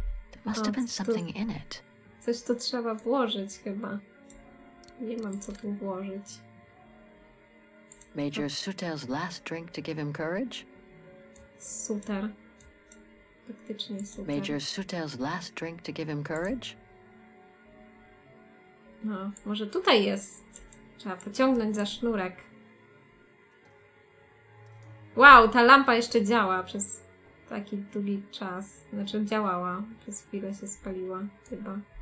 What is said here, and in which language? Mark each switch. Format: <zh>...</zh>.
<en>There must have been something in it.</en> <pl>Coś tu trzeba włożyć chyba. Nie mam co tu włożyć.</pl> <en>Major Sutel's last drink to give him courage?</en> <pl>Suter. Faktycznie Suter.</pl> <en>Major Sutel's last drink to give him courage?</en> <pl>No, może tutaj jest. Trzeba pociągnąć za sznurek. Wow, ta lampa jeszcze działa przez taki długi czas. Znaczy działała. Przez chwilę się spaliła chyba.</pl>